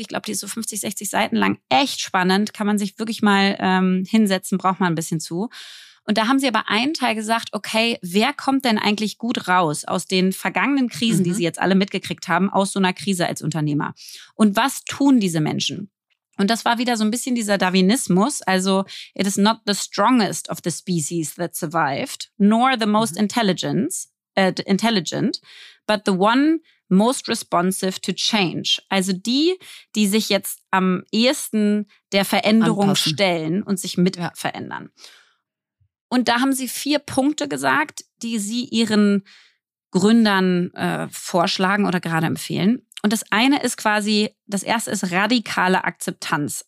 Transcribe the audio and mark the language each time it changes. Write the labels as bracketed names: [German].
[German] Ich glaube, die ist so 50, 60 Seiten lang. Echt spannend. Kann man sich wirklich mal hinsetzen, braucht man ein bisschen zu. Und da haben sie aber einen Teil gesagt, okay, wer kommt denn eigentlich gut raus aus den vergangenen Krisen, mhm, die sie jetzt alle mitgekriegt haben, aus so einer Krise als Unternehmer? Und was tun diese Menschen? Und das war wieder so ein bisschen dieser Darwinismus. [English] Also, it is not the strongest of the species that survived, nor the most intelligent, but the one most responsive to change. [German] Also die, die sich jetzt am ehesten der Veränderung anpassen, stellen und sich mit verändern. Und da haben sie 4 Punkte gesagt, die sie ihren Gründern vorschlagen oder gerade empfehlen. Und das eine ist quasi, das erste ist radikale Akzeptanz.